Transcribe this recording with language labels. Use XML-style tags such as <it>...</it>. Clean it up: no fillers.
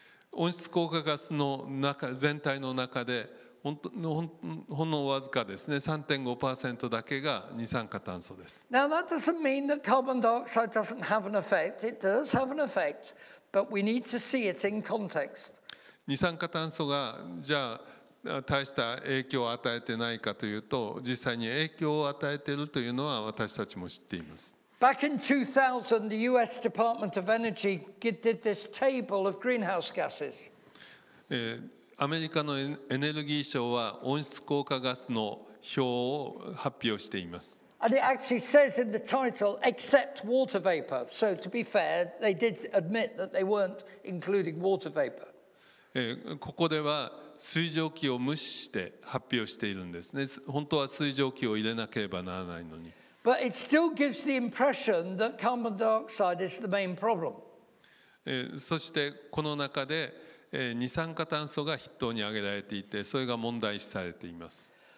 <ja>温室効果ガスの中全体の中で、ほんのわずかですね、 3.5% だけが二酸化炭素です。</ja> <en>Now that doesn't mean that carbon dioxide doesn't have an effect. It does have an effect, but we need to see it in context.</en> <ja>二酸化炭素がじゃあ大した影響を与えてないかというと、実際に影響を与えているというのは私たちも知っています。</ja> <en>Back in 2000, the US Department of Energy did this table of greenhouse gases.</en> <ja>アメリカのエネルギー省は温室効果ガスの表を発表しています。</ja> <en>And it actually says in the title, except water vapor. So to be fair, they did admit that they weren't including water vapor.</en> <ja>ここでは水蒸気を無視して発表しているんですね。本当は水蒸気を入れなければならないのに。</ja> <en>But it still gives the impression that carbon dioxide is the main problem.</en> <ja>そしてこの中で二酸化炭素が筆頭に挙げられていて、それが問題視されています。</ja>